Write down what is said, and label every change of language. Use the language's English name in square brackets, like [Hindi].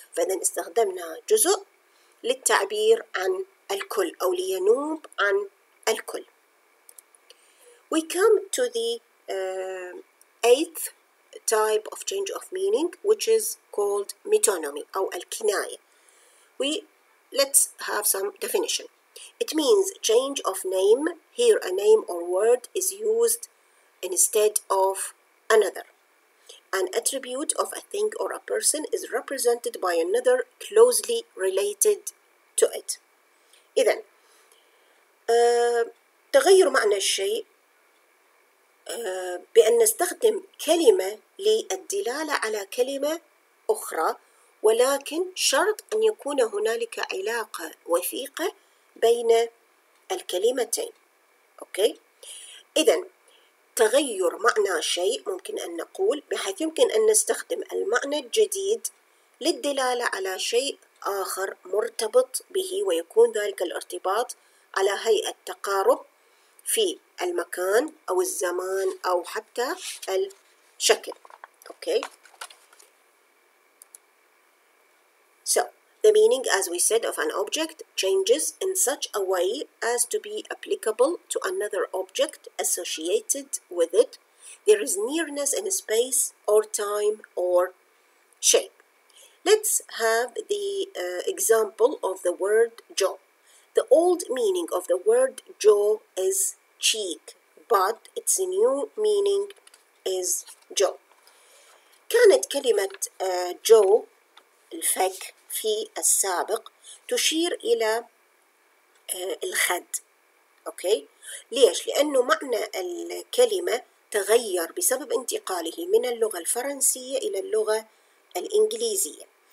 [Arabic] فإذا استخدمنا جزء للتعبير عن الكل أو لينوب عن الكل. [English] We come to the eighth type of change of meaning, which is called metonymy [Arabic] أو الكناية. [English] Let's have some definition. It means change of name. Here a name or word is used instead of another. An attribute of a thing or a person is represented by another closely related to it. [Arabic] إذن تغير معنى الشيء بأن نستخدم كلمة للدلالة على كلمة أخرى، ولكن شرط أن يكون هنالك علاقة وثيقة بين الكلمتين. أوكي؟ إذن تغير معنى شيء ممكن أن نقول بحيث يمكن أن نستخدم المعنى الجديد للدلالة على شيء آخر مرتبط به، ويكون ذلك الارتباط على هيئة تقارب في المكان أو الزمان أو حتى الشكل. [English] Okay. So, the meaning, as we said, of an object changes in such a way as to be applicable to another object associated with it. There is nearness in space or time or shape. Let's have the example of the word jaw. The old meaning of the word jaw is cheek, but its new meaning is jaw. [Arabic] كانت كلمة jaw الفك في السابق تشير إلى الخد. أوكي؟ ليش؟ لأنه معنى الكلمة تغير بسبب انتقاله من اللغة الفرنسية إلى اللغة الإنجليزية.